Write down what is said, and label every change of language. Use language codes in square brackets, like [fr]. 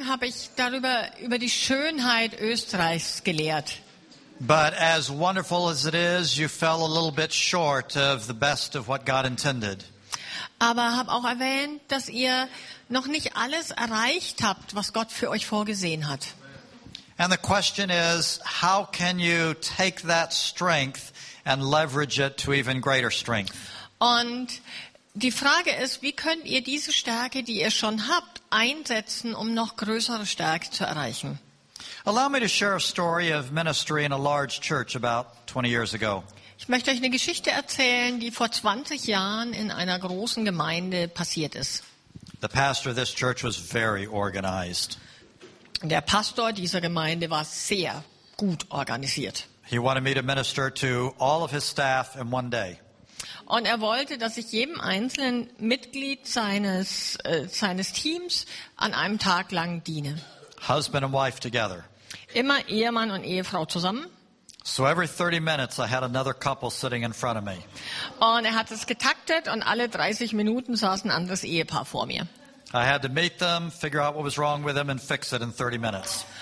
[de] habe ich darüber über die Schönheit Österreichs gelehrt. [en] But as wonderful as it is, you fell a little bit short of the best of what God intended. [de] Aber habe auch erwähnt, dass ihr noch nicht alles erreicht habt, was Gott für euch vorgesehen hat. [en] And the question is, how can you take that strength and leverage it to even greater strength? [de] Und die Frage ist, wie könnt ihr diese Stärke, die ihr schon habt, einsetzen, um noch größere Stärke zu erreichen? [en] Allow me to share a story of ministry in a large church about 20 years ago. [de] Ich möchte euch eine Geschichte erzählen, die vor 20 Jahren in einer großen Gemeinde passiert ist. [en] The pastor of this church was very organized. [de] Der Pastor dieser Gemeinde war sehr gut organisiert. [en] He wanted me to minister to all of his staff in one day. [de] Und er wollte, dass ich jedem einzelnen Mitglied seines Teams an einem Tag lang diene. [en] Husband and wife together. [de] Immer Ehemann und Ehefrau zusammen. [en] So every 30 minutes I had another couple sitting in front of me. [de] Und er hat es getaktet und alle 30 Minuten saß ein anderes Ehepaar vor mir. [en] I had to meet them, figure out what was wrong with them and fix it in 30 minutes.